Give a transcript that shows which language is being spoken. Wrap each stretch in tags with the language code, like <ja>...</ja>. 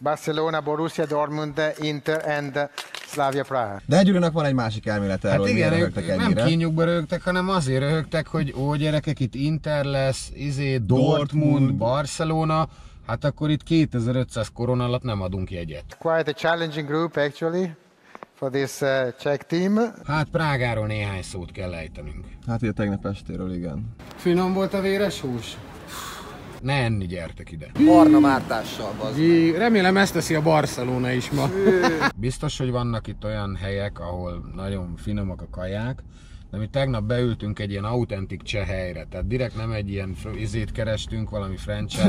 <en>Barcelona, Borussia Dortmund, Inter and Slavia Praha.</en> <hu>De egy Gyurinak van egy másik elmélete erről, hát miért röhögtek ennyire. Nem kinyugba röhögtek, hanem azért röhögtek, hogy ó gyerekek, itt Inter lesz, Dortmund, Barcelona, hát akkor itt 2500 korona alatt nem adunk jegyet.</hu> <en>Quite a challenging group actually. For this Czech team.</en> <hu>Hát Prágáról néhány szót kell ejtenünk. Hát ugye tegnap estéről, igen. Finom volt a véres hús? Ne enni, gyertek ide. Barna Mártással, bazdmeg. Remélem ezt teszi a Barcelona is ma. Biztos, hogy vannak itt olyan helyek, ahol nagyon finomak a kaják, de mi tegnap beültünk egy ilyen autentik cseh helyre, tehát direkt nem egy ilyen izét kerestünk, valami franchise.</hu>